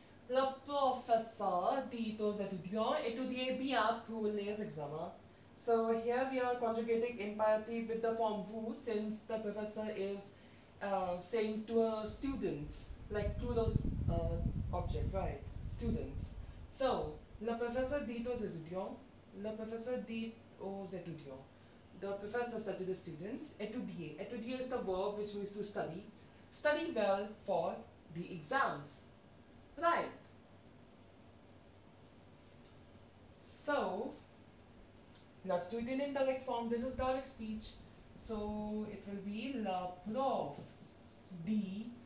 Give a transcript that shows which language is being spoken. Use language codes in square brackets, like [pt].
[fr] Le professeur dit aux étudiants, étudiez bien pour les examens. [en] So here we are conjugating imperative with the form vous, since the professor is saying to a students, like plural object, right? Students. [fr] So, le professeur dit aux étudiants, le professeur dit aux étudiants. [en] The professor said to the students, étudier. Étudier is the verb which means to study. Study well for the exams. Right. So, let's do it in indirect form. This is direct speech. So, it will be la prof dit.